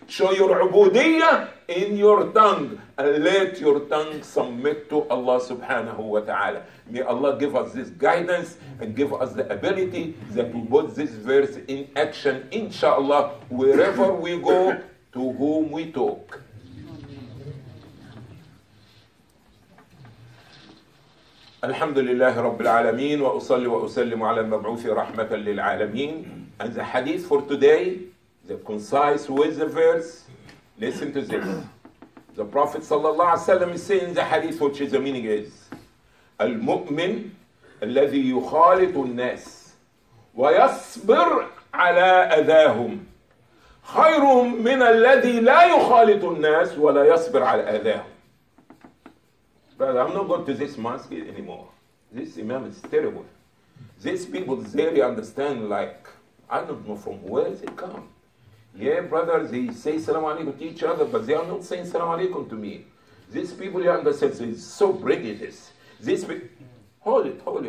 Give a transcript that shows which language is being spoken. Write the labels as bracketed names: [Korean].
[English] Show your ubudiyah in your tongue. And let your tongue submit to Allah subhanahu wa ta'ala. May Allah give us this guidance and give us the ability that we put this verse in action, inshallah, wherever we go, to whom we talk. [Arabic] الحمد لله رب العالمين وأصلي وأسلم على المبعوث رحمة للعالمين. [English] And the hadith for today, the concise with the verse, listen to this. The Prophet [Arabic] صلى الله عليه وسلم [English] is saying the hadith, which is the meaning is, [Arabic] المؤمن الذي يخالط الناس ويصبر على أذاهم خير من الذي لا يخالط الناس ولا يصبر على أذاهم. [English] But I'm not going to this mosque anymore. This imam is terrible. These people, they really understand, like, I don't know from where they come. Yeah, brothers, they say salam alaikum to each other, but they are not saying salam alaikum to me. These people, you understand, they're so prejudiced. These people, hold it.